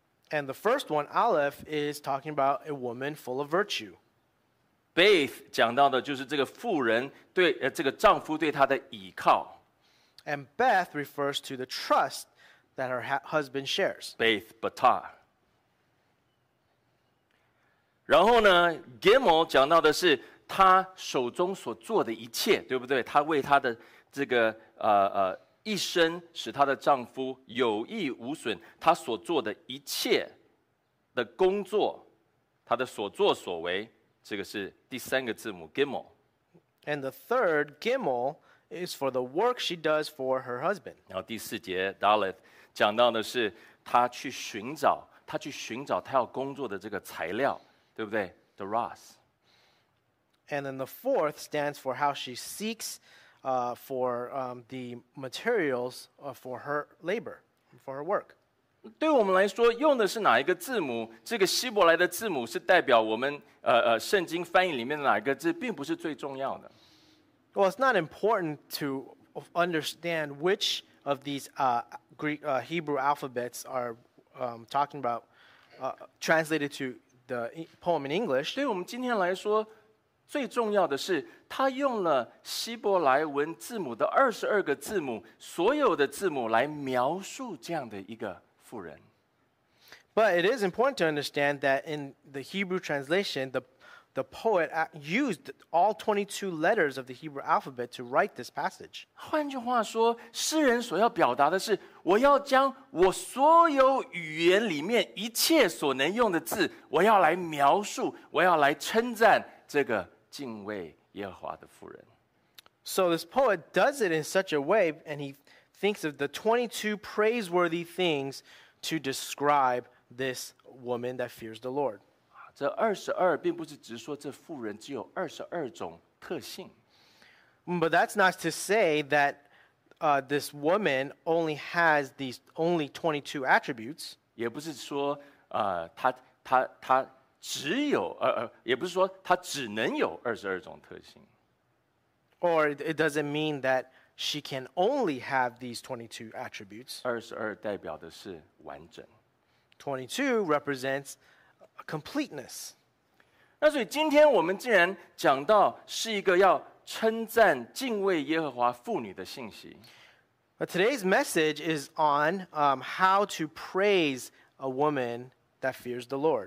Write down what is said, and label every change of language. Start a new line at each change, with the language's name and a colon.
English: And the first one, Aleph, is talking about a woman full of virtue.
Chinese: Beth 讲到的就是这个妇人对这个丈夫对她的倚靠。
English: And Beth refers to the trust that her husband shares.
Hebrew: Beth, Batah.
Chinese: 然后呢 Gimel 讲到的是他手中所做的一切，对不对？他为他的这个一生使他的丈夫有益无损，他所做的一切的工作，他的所作所为，这个是第三个字母 Gimel。
English: And the third Gimel is for the work she does for her husband.
Chinese: 然后第四节 Daleth 讲到的是他去寻找，他去寻找他要工作的这个材料，对不对 ？The Ross。
English: And then the fourth stands for how she seeks for the materials for her labor, for her work.
Chinese: 对我们来说，用的是哪一个字母？这个希伯来的字母是代表我们圣经翻译里面的哪一个字，并不是最重要的。
English: Well, it's not important to understand which of these Greek Hebrew alphabets are talking about translated to the poem in English.
Chinese: 对我们今天来说。最重要的是他用了希伯来文字母的22个字母，所有的字母来描述这样的一个妇人。
English: But it is important to understand that in the Hebrew translation, the poet used all 22 letters of the Hebrew alphabet to write this passage.
Chinese: 换句话说，诗人所要表达的是，我要将我所有语言里面一切所能用的字，我要来描述，我要来称赞这个敬畏耶和华的妇人。
English: So this poet does it in such a way, and he thinks of the 22 praiseworthy things to describe this woman that fears the Lord.
Chinese: 这二十二并不是只说这妇人只有二十二种特性。
English: But that's not to say that this woman only has these only 22 attributes.
Chinese: 也不是说她只有也不是说他只能有二十二种特性。
English: Or it doesn't mean that she can only have these 22 attributes.
Chinese: 二十二代表的是完整。
English: 22 represents completeness.
Chinese: 那所以今天我们既然讲到是一个要称赞敬畏耶和华妇女的信息。
English: But today's message is on how to praise a woman that fears the Lord.